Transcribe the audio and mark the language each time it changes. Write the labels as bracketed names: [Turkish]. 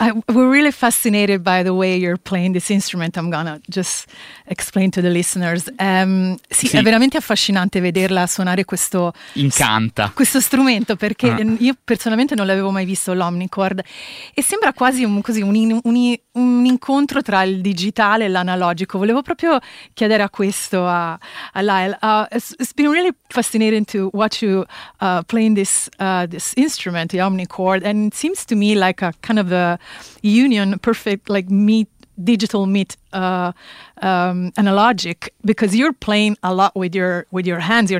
[English] We're really fascinated by the way you're playing this instrument. I'm gonna just explain to the listeners. [Italian] Sì, sì, è veramente affascinante vederla suonare questo. Incanta. Questo strumento, perché io personalmente non l'avevo mai visto l'omnicord, e sembra quasi un incontro tra il digitale e l'analogico. Volevo proprio chiedere a questo a Lyle. [English] It's been really fascinating to watch you playing this instrument, the omnicord, and it seems to me like a kind of a union, perfect, like digital meet analogic, because you're playing a lot with your hands.